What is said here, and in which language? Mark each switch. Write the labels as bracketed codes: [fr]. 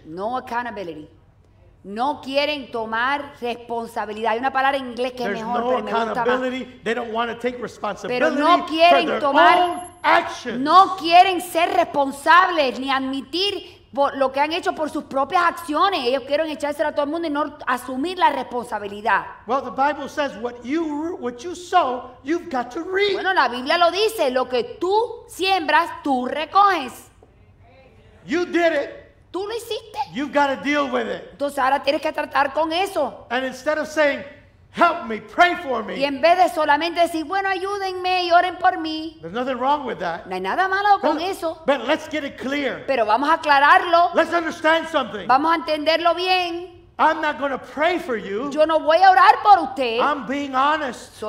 [en] No accountability. [es] No quieren tomar responsabilidad. Hay una palabra en inglés que [en] there's [es] es mejor, no pero me gusta más. [en] Accountability. They don't want to take responsibility. [es] Pero no quieren tomar [en] actions. [es] No quieren ser responsables ni admitir por lo que han hecho por sus propias acciones. Ellos quieren echárselo a todo el mundo y no asumir la responsabilidad. [en] Well, the Bible says what you sow, you've got to reap. [es] Bueno, la Biblia lo dice, lo que tú siembras, tú recoges. [en] You did it. [es] Tú lo hiciste. [en] You've got to deal with it. [es] Entonces ahora tienes que tratar con eso. [en] And instead of saying, help me, pray for me. [es] Y en vez de solamente decir, bueno, ayúdenme y oren por mí. [en] There's nothing wrong with that. [es] No hay nada malo con eso. [en] But let's get it clear. [es] Pero vamos a aclararlo. [en] Let's understand something. [es] Vamos a entenderlo bien. [en] I'm not going to pray for you. [es] Yo no voy a orar por usted. [en] I'm being honest.